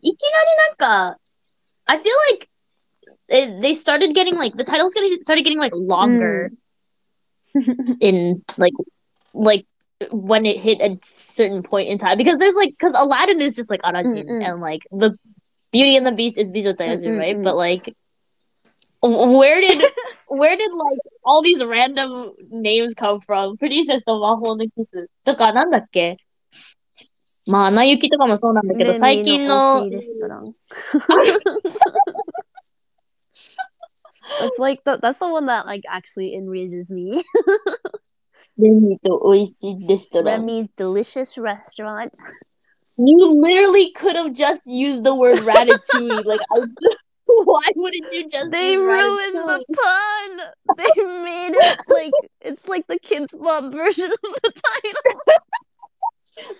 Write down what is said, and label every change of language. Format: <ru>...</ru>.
<ja>いきなりなんか、</ja> <en>I feel like they started getting like the titles started getting like longer in like when it hit a certain point in time because there's like because Aladdin is just like Arajin and like the Beauty and the Beast is Bijotayazu right but like where did like all these random names come from Princess of Mahou no Kisu</en> <ja>とかなんだっけ。まあ、アナ雪とかもそうなんだけど、最近の。</ja> <en>It's like, that's the one that, like, actually enrages me.</en> <ja>レミと美味しいレストラン。</ja> <en>Remy's delicious restaurant. You literally could have just used the word ratatouille. Like, why wouldn't you just They use ratatouille? Ruined the pun! They made it, like, it's like the Kids Bop version of the title.</en>